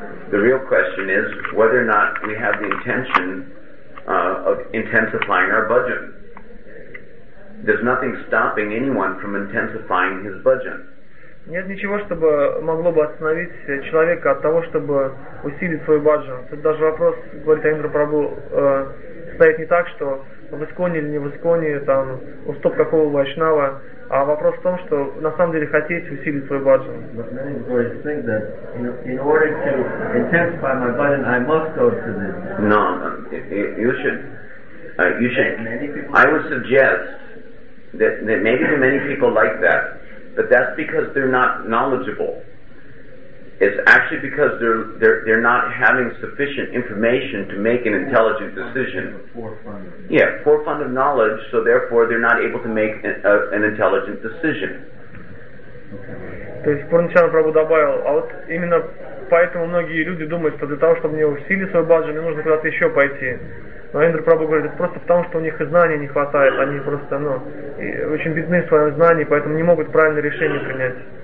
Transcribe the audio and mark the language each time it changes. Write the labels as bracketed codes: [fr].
[en] The real question is whether or not we have the intention of intensifying our bhajan. There's nothing stopping anyone from intensifying his bhajan. [ru] Нет ничего, чтобы могло бы остановить человека от того, чтобы усилить свой баджан. Тут даже вопрос, говорит Аиндра Прабху, стоит не так, что в исконе или не в исконе, уступ какого вайшнава, а вопрос в том, что на самом деле хотеть усилить свой баджан. [en] But many devotees think that in order to intensify my bhajan, I must go to this. No, you should. I would suggest that maybe to many people like that. But that's because they're not knowledgeable. It's actually because they're not having sufficient information to make an intelligent decision. Yeah, forefront of knowledge, so therefore they're not able to make an intelligent decision. [ru] То есть Пурнчана Прабху добавил, а вот именно поэтому многие люди думают, что для того, чтобы мне усилить свой баджан, мне нужно куда-то еще пойти. Но Аиндра Прабху говорит, это просто потому, что у них и знаний не хватает, они просто, и очень бедны в своем знании, поэтому не могут правильное решение принять.